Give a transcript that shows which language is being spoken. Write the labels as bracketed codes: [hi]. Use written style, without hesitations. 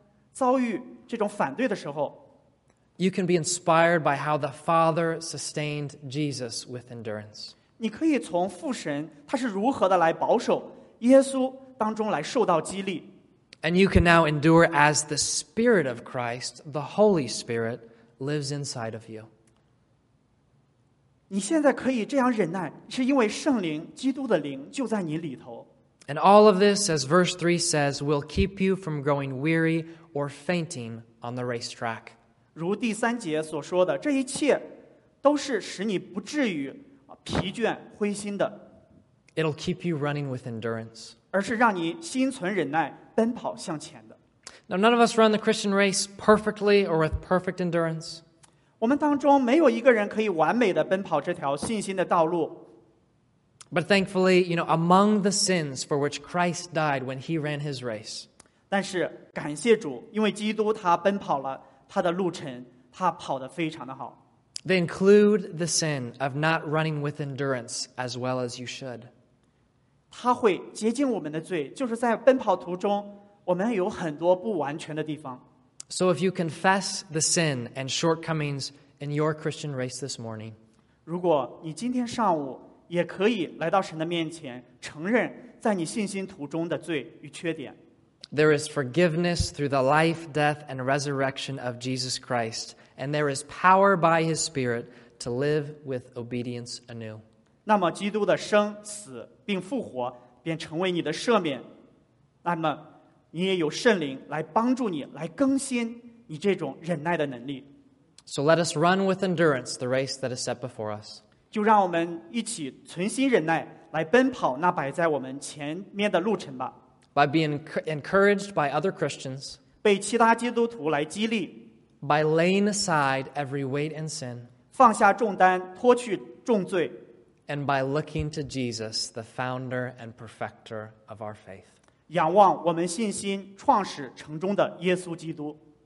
[zh] 当你在奔跑信心路程当中遭遇这种反对的时候, [en] you can be inspired by how the Father sustained Jesus with endurance. [zh] 你可以从父神他是如何的来保守耶稣当中来受到激励。 [en] And you can now endure as the Spirit of Christ, the Holy Spirit, lives inside of you. [zh] 你现在可以这样忍耐，是因为圣灵，基督的灵就在你里头。 [en] And all of this, as verse 3 says, will keep you from growing weary or fainting on the racetrack. [zh] 如第三节所说的，这一切都是使你不至于疲倦灰心的。 [en] It'll keep you running with endurance. [zh] 而是让你心存忍耐。 奔跑向前的。 [en] Now, none of us run the Christian race perfectly or with perfect endurance. [zh] 我们当中没有一个人可以完美地奔跑这条信心的道路。 [en] But thankfully, you know, among the sins for which Christ died when he ran his race. [zh] 但是感谢主，因为基督他奔跑了他的路程，他跑得非常的好。 [en] They include the sin of not running with endurance as well as you should. [zh] 他会洁净我们的罪，就是在奔跑途中，我们有很多不完全的地方。 [en] So if you confess the sin and shortcomings in your Christian race this morning, [zh] 如果你今天上午也可以来到神的面前，承认在你信心途中的罪与缺点。 [en] There is forgiveness through the life, death, and resurrection of Jesus Christ, and there is power by His Spirit to live with obedience anew. [zh] 那么基督的生、死并复活便成为你的赦免，那么你也有圣灵来帮助你，来更新你这种忍耐的能力。 [en] So let us run with endurance the race that is set before us. [zh] 就让我们一起存心忍耐，来奔跑那摆在我们前面的路程吧。 [en] By being encouraged by other Christians, [zh] 被其他基督徒来激励, [en] by laying aside every weight and sin, [zh] 放下重担, 脱去重罪, [en] and by looking to Jesus, the founder and perfecter of our faith. [zh] 仰望我们信心创始成终的耶稣基督。